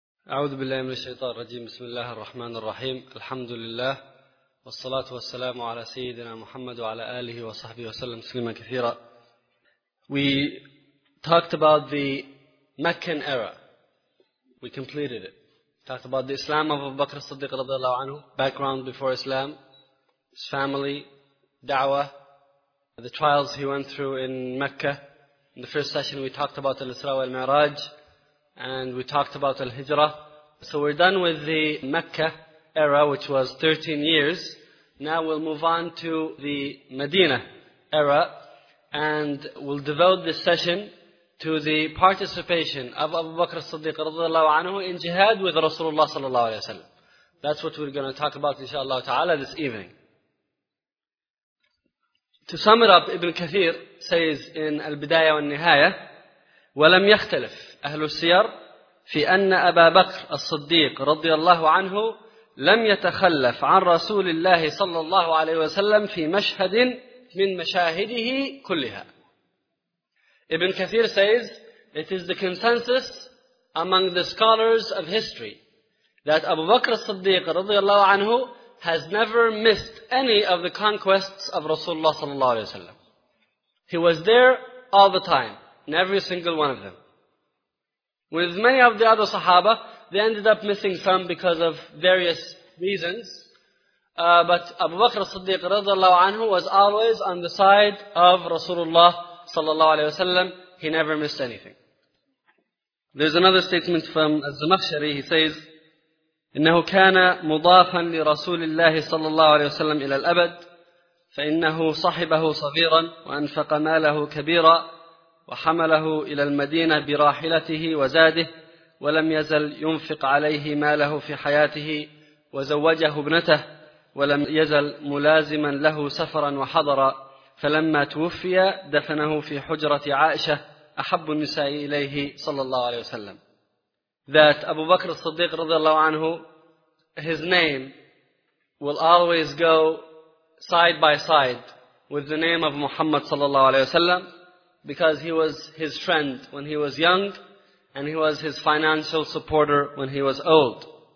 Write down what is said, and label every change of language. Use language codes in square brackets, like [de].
[ar] أعوذ بالله من الشيطان الرجيم. بسم الله الرحمن الرحيم. الحمد لله والصلاة والسلام على سيدنا محمد وعلى آله وصحبه وسلم تسليما كثيرا. [en] We talked about the Meccan era. We completed it. Talked about the Islam of Abu Bakr as-Siddiq رضي الله عنه. Background before Islam. His family. Da'wah. The trials he went through in Mecca. In the first session we talked about al-Isra wa al-Mi'raj. And we talked about Al-Hijrah. So we're done with the Mecca era, which was 13 years. Now we'll move on to the Medina era. And we'll devote this session to the participation of Abu Bakr as-Siddiq radiallahu anhu in jihad with Rasulullah sallallahu alayhi wa sallam. That's what we're going to talk about inshaAllah ta'ala this evening. To sum it up, Ibn Kathir says in Al-Bidayah wal-Nihayah, [ar] ولم يختلف أهل السير في أن أبا بكر الصديق رضي الله عنه لم يتخلف عن رسول الله صلى الله عليه وسلم في مشهد من مشاهده كلها. [en] Ibn Kathir says, it is the consensus among the scholars of history that Abu Bakr الصديق رضي الله عنه has never missed any of the conquests of Rasulullah صلى الله عليه وسلم. He was there all the time. In every single one of them. With many of the other Sahaba, they ended up missing some because of various reasons. But Abu Bakr as-Siddiq radiallahu anhu was always on the side of Rasulullah sallallahu alayhi wa sallam. He never missed anything. There's another statement from Az-Zamakhshari. He says, [ar] إِنَّهُ كَانَ مُضَافًا لِرَسُولِ اللَّهِ صَلَّى اللَّهُ عَلَيْهِ وَسَلَّمْ إِلَى الْأَبَدِ فَإِنَّهُ صَحِبَهُ صَغِيرًا وَأَنْفَقَ مَالَهُ كَبِيرًا وحمله إلى المدينة براحلته وزاده ولم يزل ينفق عليه ماله في حياته وزوجه ابنته ولم يزل ملازما له سفرا وحضرا فلما توفي دفنه في حجرة عائشة أحب النساء إليه صلى الله عليه وسلم. [en] That Abu Bakr as-Siddiq رضي الله عنه, his name will always go side by side with the name of Muhammad صلى الله عليه وسلم. Because he was his friend when he was young, and he was his financial supporter when he was old.